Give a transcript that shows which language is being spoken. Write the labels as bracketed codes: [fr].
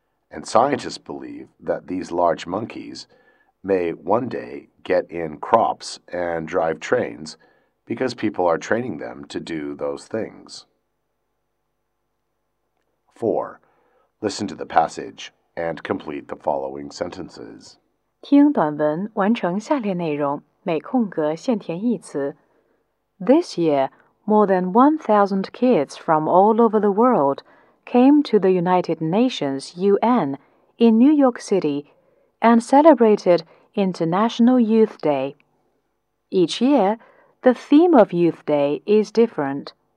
[en] And scientists believe that these large monkeys may one day get in crops and drive trains because people are training them to do those things. 4. Listen to the passage and complete the following sentences. [zh] 听短文完成下列内容，每空格限填一词。 [en] This year, more than 1,000 kids from all over the world came to the United Nations UN in New York City and celebrated International Youth Day. Each year, the theme of Youth Day is different.